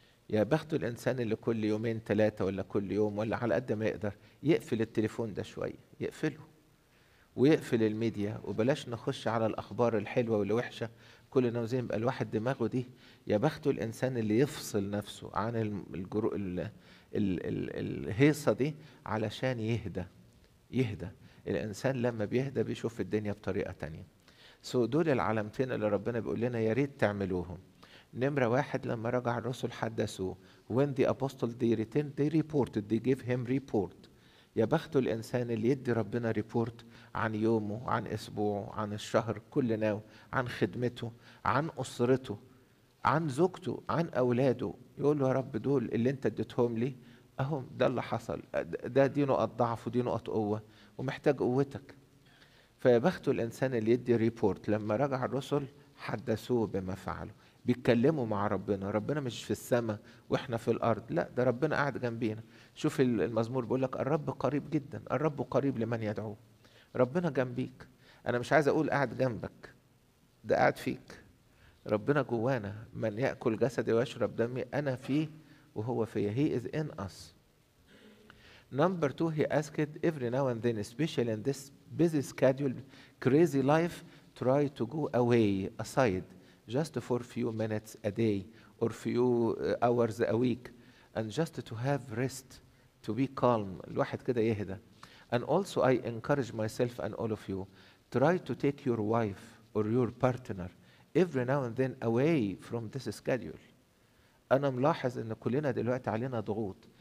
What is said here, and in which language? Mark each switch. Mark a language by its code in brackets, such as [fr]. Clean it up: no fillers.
[ar] يا بخت الإنسان اللي كل يومين ثلاثة ولا كل يوم ولا على قد ما يقدر يقفل التليفون ده شوية، يقفله ويقفل الميديا، وبلاش نخش على الأخبار الحلوة والوحشة كل اللي عاوزين يبقى الواحد دماغه دي. يا بخت الإنسان اللي يفصل نفسه عن الهيصة دي علشان يهدى. يهدى الإنسان لما بيهدى بيشوف الدنيا بطريقة تانية. سو دول العلامتين اللي ربنا بيقول لنا يا ريت تعملوهم. نمرة واحد لما رجع الرسل حدثوه [en] when the apostle they returned they reported they gave him report. [ar] يا بخت الإنسان اللي يدي ربنا ريبورت عن يومه عن أسبوعه عن الشهر كل ناو عن خدمته عن أسرته عن زوجته عن أولاده، يقول له يا رب دول اللي انت اديتهم لي أهم ده اللي حصل، ده دي نقط ضعف ودي نقط قوة ومحتاج قوتك. فيا بخت الإنسان اللي يدي ريبورت لما رجع الرسل حدثوه بما فعله، بيتكلموا مع ربنا، ربنا مش في السماء واحنا في الارض، لا ده ربنا قاعد جنبينا. شوف المزمور بيقول لك الرب قريب جدا، الرب قريب لمن يدعوه. ربنا جنبيك، انا مش عايز اقول قاعد جنبك، ده قاعد فيك. ربنا جوانا، من ياكل جسدي ويشرب دمي انا فيه وهو فيا. [en] He is in us. Number two, he asked every now and then, especially in this busy schedule, crazy life, try to go away, aside. Just for few minutes a day or few hours a week and just to have rest, to be calm. [ar] الواحد كده يهدى. [en] And also I encourage myself and all of you, try to take your wife or your partner every now and then away from this schedule. [ar] انا ملاحظ ان كلنا دلوقتي علينا ضغوط.